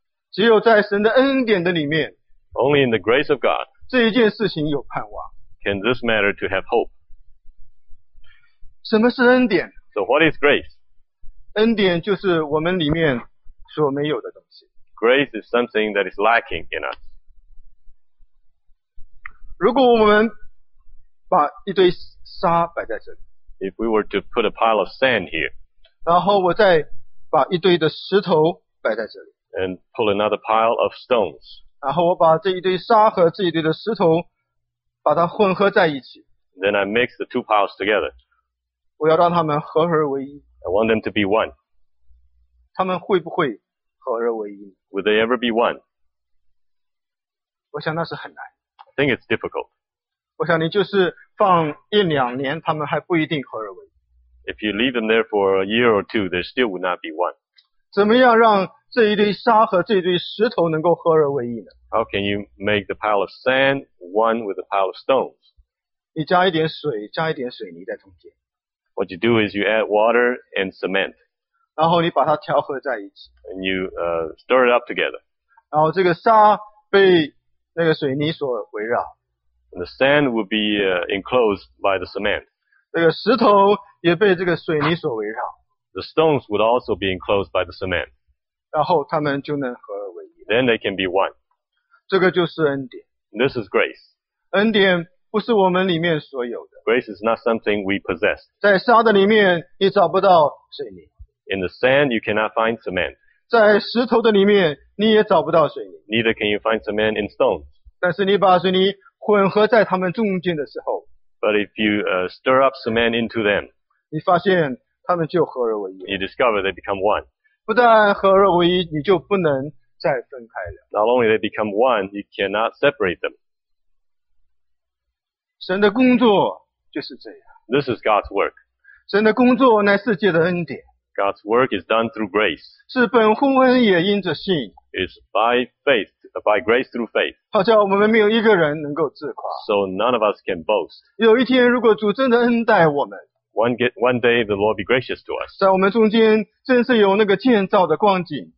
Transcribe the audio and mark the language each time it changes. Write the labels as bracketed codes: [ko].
[zh] 只有在神的恩典的里面。 [en] Only in the grace of God. [zh] 这一件事情有盼望。 [en] Can this matter to have hope? [zh] 什么是恩典？ [en] So what is grace? [zh] 恩典就是我们里面所没有的东西。 [en] Grace is something that is lacking in us. [zh] 如果我们把一堆沙摆在这里。 [en] If we were to put a pile of sand here. [zh] 然后我再把一堆的石头摆在这里。 [en] And pull another pile of stones. [zh] 然后我把这一堆沙和这一堆的石头把它混合在一起。 [en] Then I mix the two piles together. [zh] 我要让他们合而为一。 [en] I want them to be one. [zh] 他们会不会合而为一？ [en] Will they ever be one? [zh] 我想那是很难。 [en] I think it's difficult. [zh] 我想你就是放一两年他们还不一定合而为一。 [en] If you leave them there for a year or two, they still would not be one. [zh] 怎么样让这一堆沙和这一堆石头能够合而为一呢？ [en] How can you make the pile of sand one with the pile of stones? [zh] 你加一点水，加一点水泥在中间。 [en] What you do is you add water and cement. [zh] 然后你把它调和在一起。 [en] And you stir it up together. [zh] 然后这个沙被那个水泥所围绕。 [en] And the sand will be enclosed by the cement. [zh] 这个石头也被这个水泥所围绕。 [en] The stones would also be enclosed by the cement. [zh] 然后他们就能合而为一。 [en] Then they can be one. [zh] 这个就是恩典。 [en] This is grace. [zh] 恩典不是我们里面所有的。 [en] Grace is not something we possess. [zh] 在沙的里面你找不到水泥。 [en] In the sand, you cannot find cement. [zh] 在石头的里面你也找不到水泥。 [en] Neither can you find cement in stones. [zh] 但是你把水泥混合在他们中间的时候。 [en] But if you stir up cement into them. [zh] 你发现他们就合而为一。 [en] You discover they become one. [zh] 不但合而为一，你就不能再分开了。 [en] Not only they become one, you cannot separate them. [zh] 神的工作就是这样。 [en] This is God's work. [zh] 神的工作乃是借着恩典。 [en] God's work is done through grace. [zh] 是本乎恩也因着信。 [en] It's by faith, by grace through faith. [zh] 好叫我们没有一个人能够自夸。 [en] So none of us can boast. [zh] 有一天如果主真的恩待我们。 [en] One day the Lord be gracious to us. [zh] 在我们中间真是有那个建造的光景。